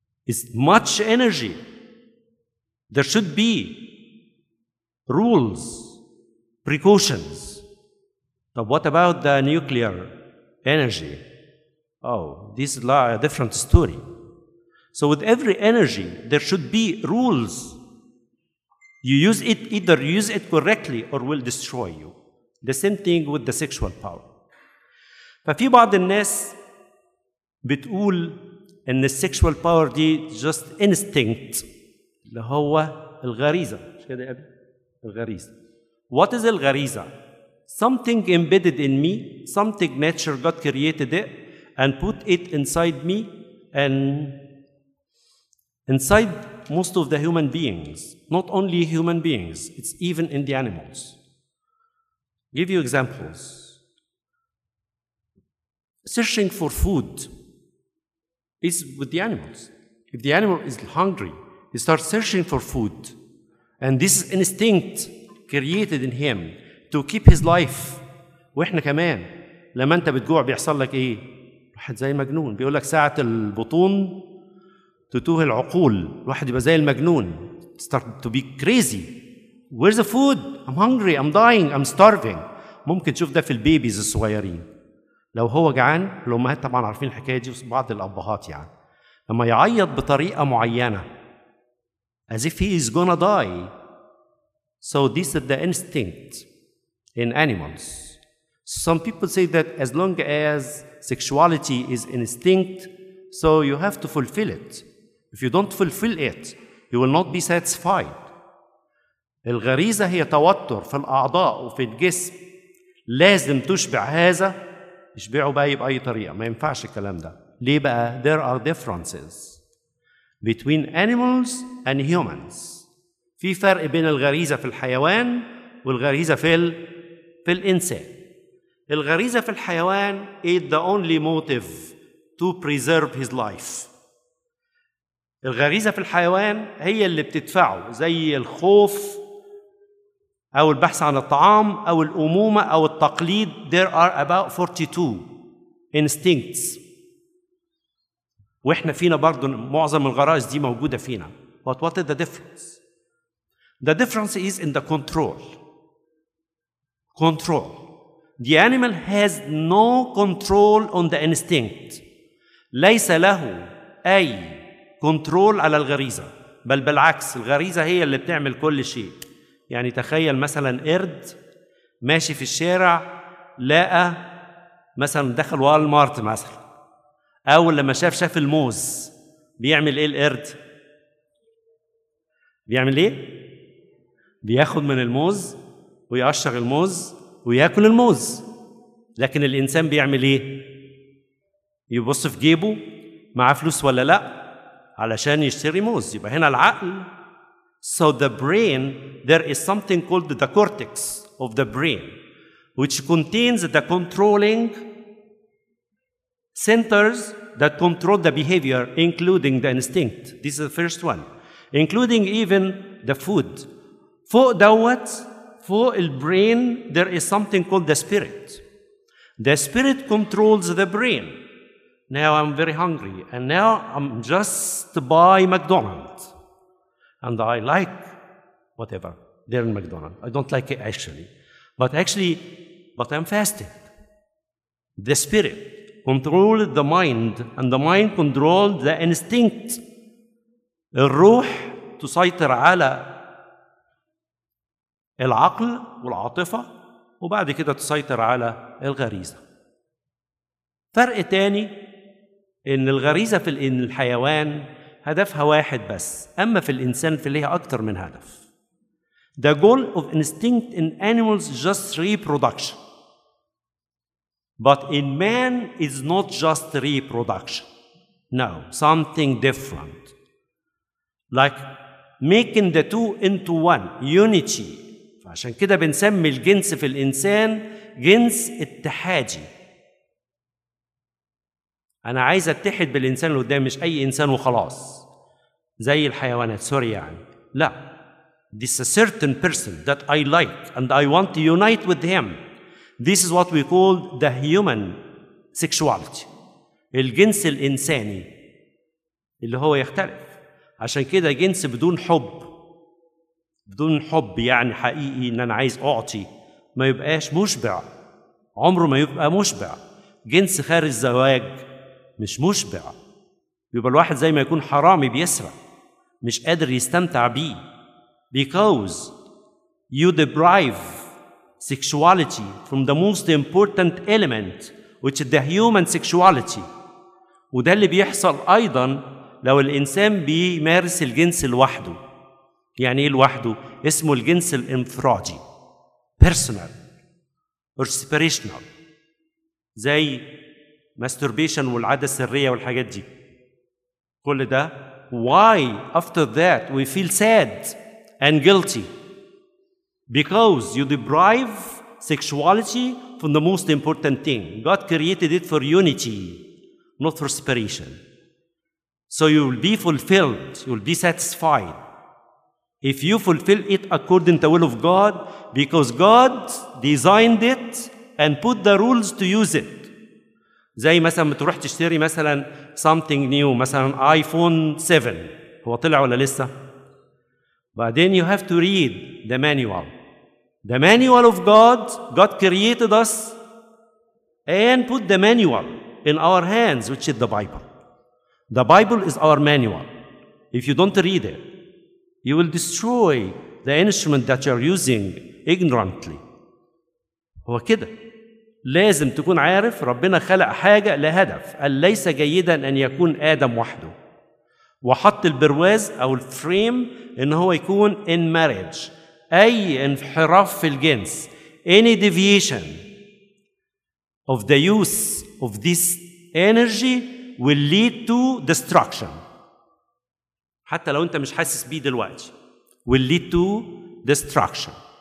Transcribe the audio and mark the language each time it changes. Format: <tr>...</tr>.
<en>It's much energy. There should be rules, precautions. But what about the nuclear energy? Oh, this is a different story. So with every energy, there should be rules. You use it, either use it correctly or will destroy you. The same thing with the sexual power.</en> <ar>ففي بعض الناس بتقول ان السيكشوال باور دي</ar> <en>just instinct,</en> <ar>اللي هو الغريزة. مش كده يا أبي؟ الغريزة.</ar> <en>What is الغريزة? Something embedded in me, something nature God created it and put it inside me and inside most of the human beings, not only human beings, it's even in the animals. Give you examples. Searching for food is with the animals. If the animal is hungry, he starts searching for food. And this is instinct created in him to keep his life.</en> <ar>واحنا كمان لما انت بتجوع بيحصل لك ايه؟ واحد زي مجنون بيقول لك ساعة البطون تتوه العقول, الواحد يبقى زي المجنون,</ar> <en>start to be crazy, Where's the food? I'm hungry. I'm dying. I'm starving.</en> <ar>ممكن تشوف ده في البيبيز الصغيرين. لو هو جعان، الأمهات طبعا عارفين الحكاية دي، بعض الأبهات يعني. لما يعيط بطريقة معينة،</ar> <en>as if he is gonna die. So this is the instinct in animals. Some people say that as long as sexuality is instinct, so you have to fulfill it. If you don't fulfill it, you will not be satisfied.</en> <ar>الغريزة هي توتر في الأعضاء وفي الجسم. لازم تشبع هذا، يشبعه بأي بأي طريقة. ما ينفعش الكلام ده. ليه بقى؟</ar> <en>There are differences between animals and humans.</en> <ar>في فرق بين الغريزة في الحيوان والغريزة في الإنسان. الغريزة في الحيوان</ar> <en>is the only motive to preserve his life.</en> <ar>الغريزة في الحيوان هي اللي بتدفعه، زي الخوف أو البحث عن الطعام أو الأمومة أو التقليد.</ar> <en>There are about 42 instincts.</en> <ar>وإحنا فينا برضو معظم الغرائز دي موجودة فينا.</ar> <en>But what is the difference? The difference is in the control. Control. The animal has no control on the instinct.</en> <ar>ليس له أي control على الغريزة. بل بالعكس، الغريزة هي اللي بتعمل كل شيء. يعني تخيل مثلا قرد ماشي في الشارع، لقى مثلا دخل والمارت مثلا، أول لما شاف الموز، بيعمل إيه القرد؟ بيعمل إيه؟ بياخد من الموز ويقشر الموز ويأكل الموز. لكن الإنسان بيعمل إيه؟ يبص في جيبه معه فلوس ولا لأ علشان يشتري موز. يبقى هنا العقل.</ar> <en>So the brain, there is something called the cortex of the brain, which contains the controlling centers that control the behavior, including the instinct. This is the first one. Including even the food.</en> <ar>فوق دوت، فوق البرين،</ar> <en>there is something called the spirit. The spirit controls the brain. Now I'm very hungry, and now I'm just by McDonald's. And I like whatever there in McDonald's. I don't like it actually. But I'm fasting. The spirit controlled the mind, and the mind controlled the instinct.</en> <ar>الروح تسيطر على العقل والعاطفة، وبعد كده تسيطر على الغريزة. فرق تاني، إن الغريزة في الحيوان هدفها واحد بس، أما في الإنسان فليها أكتر من هدف.</ar> <en>The goal of instinct in animals is just reproduction. But in man is not just reproduction. No, something different. Like making the two into one, unity.</en> <ar>فعشان كده بنسمي الجنس في الإنسان جنس اتحادي. أنا عايز اتحد بالإنسان اللي قدامي، مش أي إنسان وخلاص. زي الحيوانات، سوري يعني. لا.</ar> <en>This is a certain person that I like and I want to unite with him. This is what we call the human sexuality.</en> <ar>الجنس الإنساني اللي هو يختلف. عشان كده جنس بدون حب، بدون حب يعني حقيقي إن أنا عايز أعطي، ما يبقاش مشبع. عمره ما يبقى مشبع. جنس خارج الزواج مش مشبع. يبقى الواحد زي ما يكون حرامي بيسرق، مش قادر يستمتع بيه.</ar> <en>Because you deprive sexuality from the most important element, which is the human sexuality.</en> <ar>وده اللي بيحصل أيضا لو الإنسان بيمارس الجنس لوحده. يعني إيه لوحده؟ اسمه الجنس الانفرادي،</ar> <en>personal or separational،</en> <ar>زي masturbation والعادة السرية والحاجات دي. كل ده</ar> <en>why after that we feel sad and guilty? Because you deprive sexuality from the most important thing. God created it for unity, not for separation. So you will be fulfilled, you will be satisfied if you fulfill it according to the will of God, because God designed it and put the rules to use it.</en> <ar>زي مثلا ما تروح تشتري مثلا</ar> <en>something new،</en> <ar>مثلا iPhone 7، هو طلع ولا لسه؟</ar> <en>But then you have to read the manual. The manual of God, God created us and put the manual in our hands, which is the Bible. The Bible is our manual. If you don't read it, you will destroy the instrument that you're using ignorantly.</en> <ar>هو كده. لازم تكون عارف ربنا خلق حاجة لهدف. قال ليس جيدا أن يكون آدم وحده. وحط البرواز أو الفريم إن هو يكون</ar> <en>in marriage.</en> <ar>أي انحراف في الجنس.</ar> <en>Any deviation of the use of this energy will lead to destruction.</en> <ar>حتى لو أنت مش حاسس بيه دلوقتي.</ar> <en>Will lead to destruction.</en>